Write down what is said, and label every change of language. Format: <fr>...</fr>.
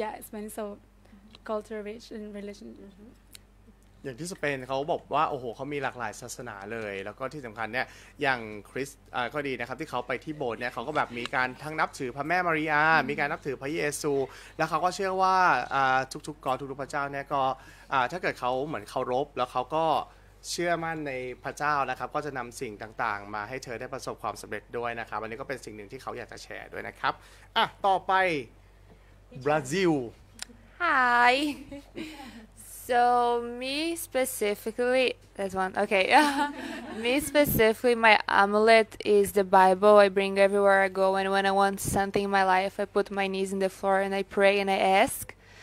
<en>Yeah, it's been so culture rich in religion.</en> <th>อย่างที่สเปนเขาบอกว่าโอ้โหเขามีหลากหลายศาสนาเลยแล้วก็ที่สำคัญเนี่ยอย่างคริสก็ดีนะครับที่เขาไปที่โบสถ์เนี่ยเขาก็แบบมีการทั้งนับถือพระแม่มาริอามีการนับถือพระเยซูแล้วเขาก็เชื่อว่าทุกพระเจ้าเนี่ยก็ถ้าเกิดเขาเหมือนเคารพแล้วเขาก็เชื่อมั่นในพระเจ้านะครับก็จะนำสิ่งต่างๆมาให้เธอได้ประสบความสำเร็จด้วยนะครับอันนี้ก็เป็นสิ่งหนึ่งที่เขาอยากจะแชร์ด้วยนะครับอ่ะต่อไปบราซิล</th> <en>Hi So me specifically, that's one, okay, me specifically, my amulet is the Bible I bring everywhere I go, and when I want something in my life, I put my knees in the floor and I pray and I ask.</en>